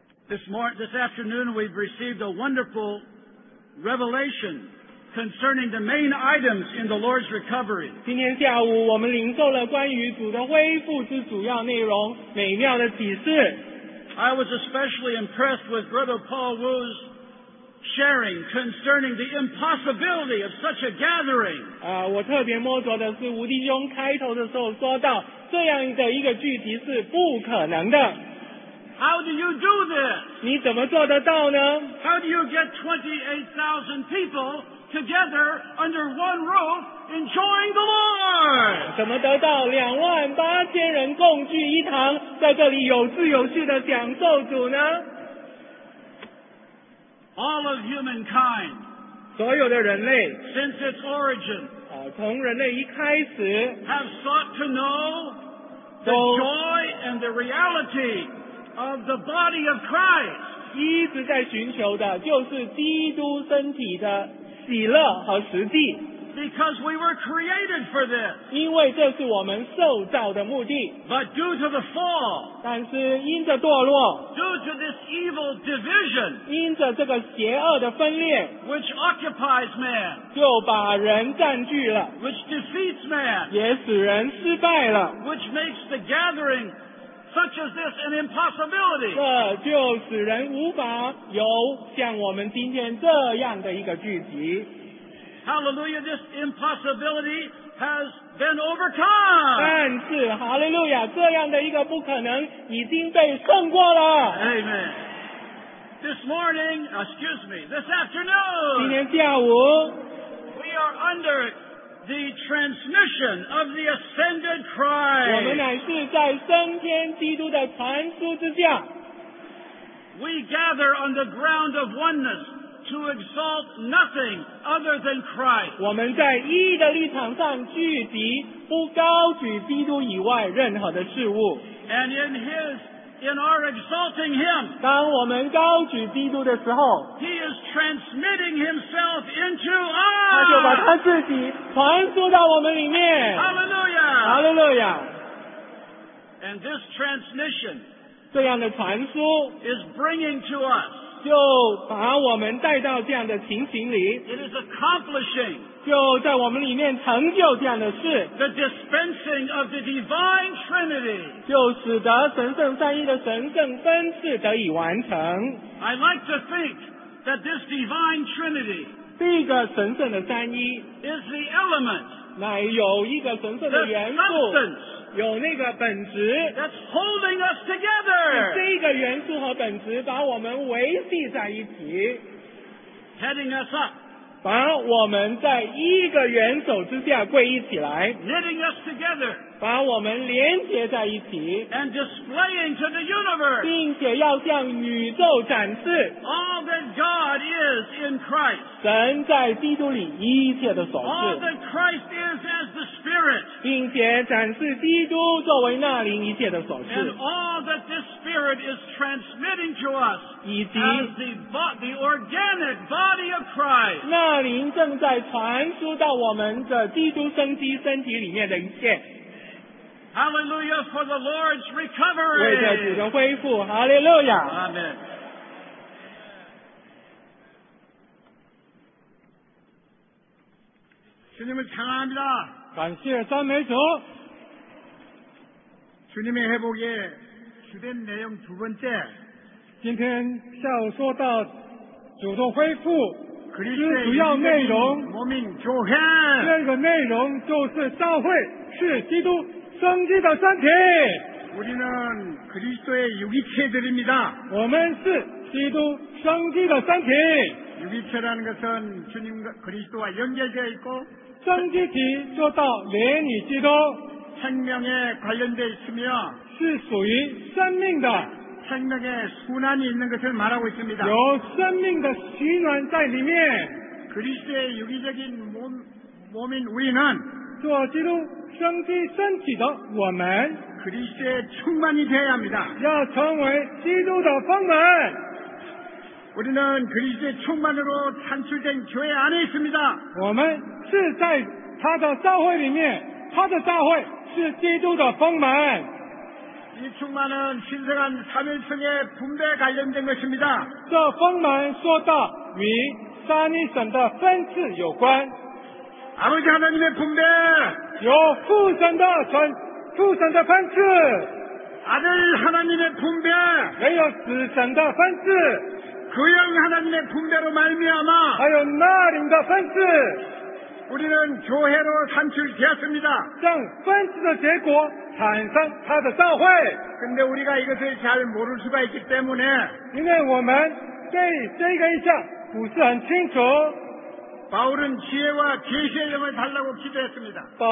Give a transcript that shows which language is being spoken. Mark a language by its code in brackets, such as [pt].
[en] This afternoon we've received a wonderful revelation concerning the main items in the Lord's recovery. [zh] 今天下午我们领受了关于主的恢复之主要内容，美妙的启示。 [en] I was especially impressed with Brother Paul Wu's sharing concerning the impossibility of such a gathering. [zh] 我特别摸着的是吴弟兄开头的时候说到这样的一个聚集是不可能的。 [en] How do you do this? [zh] 你怎么做得到呢？ [en] How do you get 28,000 people together under one roof enjoying the Lord? [zh] 怎么得到28,000人共聚一堂，在这里有秩有序的享受主呢？ [en] All of humankind, [zh] 所有的人类 [en] since its origin, [zh] 从人类一开始 [en] have sought to know the joy and the reality of the body of Christ. [zh] 一直在寻求的就是基督身体的喜乐和实际。 [en] Because we were created for this. [zh] 因为这是我们受造的目的。 [en] But due to the fall, [zh] 但是因着堕落， [en] due to this evil division, [zh] 因着这个邪恶的分裂， [en] which occupies man, [zh] 就把人占据了， [en] which defeats man, [zh] 也使人失败了， [en] which makes the gathering such as this an impossibility. [zh] 这就使人无法有像我们今天这样的一个聚集。 [en] Hallelujah, this impossibility has been overcome. [zh] 但是 Hallelujah, 这样的一个不可能已经被胜过了。 [en] Amen. This afternoon, [zh] 今天下午, [en] we are under the transmission of the ascended Christ. [zh] 我们乃是在升天基督的传书之下。 [en] We gather on the ground of oneness. to exalt nothing other than Christ. [zh] 我们在义的立场上聚集，不高举基督以外任何的事物。 [en] And in our exalting Him, [zh] 当我们高举基督的时候， [en] He is transmitting Himself into us. [zh] 他就把他自己传输到我们里面。 [en] Hallelujah! Hallelujah! And this transmission, [zh] 这样的传输， [en] is bringing to us. [zh] 就把我们带到这样的情形里， [en] It is accomplishing [zh] 就在我们里面成就这样的事， [en] The dispensing of the divine Trinity [zh] 就使得神圣三一的神圣分赐得以完成。 [en] I like to think that this divine Trinity [zh] 这个神圣的三一 [en] is the element [zh] 乃有一个神圣的元素，有那个本质 [en] that's holding us together. [zh] 这个元素和本质把我们维系在一起， [en] heading us up. [zh] 把我们在一个元首之下归一起来， [en] knitting us together. [zh] 把我们连接在一起， [en] and displaying to the universe. [zh] 并且要向宇宙展示 [en] all that God is in Christ. [zh] 神在基督里一切的所是， [en] all that Christ is as the Spirit. [zh] 并且展示基督作为那灵一切的所是， [en] and all that this Spirit is transmitting to us. [zh] 以及 [en] as the organic body of Christ. [zh] 那灵正在传输到我们的基督生机身体里面的一切。 [en] Hallelujah for the Lord's recovery. [zh] 为着主的恢复， Hallelujah. [en] Amen. Hallelujah. [zh] 感谢赞美主。 [ko] 主님의회복의주된내용두번째。 [zh] 今天下午说到主的恢复之主要内容。我们教会。这个内容就是教会是基督。生机的身体， [ko] 우리는그리스도의유기체들입니다。 [zh] 我们是基督生机的身体。 [ko] 유기체라는것은주님과그리스도와연결되어있고， [zh] 生机体做到连与基督， [ko] 생명에관련되어있으며， [zh] 是属于生命的， [ko] 생명의순환이있는것을말하고있습니다。 [zh] 有生命的循环在里面。 [ko] 그리스도의유기적인 몸인우리는， [zh] 做基督。生机身体的我们， [ko] 그리스도의충만이되어야합니다。 [zh] 要成为基督的丰满。 [ko] 우리는그리스도의충만으로산출된교회안에있습니다。 [zh] 我们是在他的教会里面，他的教会是基督的丰满。 [ko] 이충만은신성한삼일성의분배에관련된것입니다。 [zh] 这丰满说到与三一神的分赐有关。 [ko] 아버지하나님의분배， [zh] 有父神的传，父神的分赐； [ko] 아들하나님의분배， [zh] 也有子神的分赐； [ko] 그영하나님의분배로말미암아， [zh] 还有나灵的分赐。 [ko] 우리는교회로산출되었습니다。 [zh] 让分赐的结果产生他的教会。 [ko] 근데우리가이것을잘모를수가있기때문에， [zh] 因为我们对这个印象不是很清楚。 [ko] 바울은지혜와계시의영을달라고기도했습니다。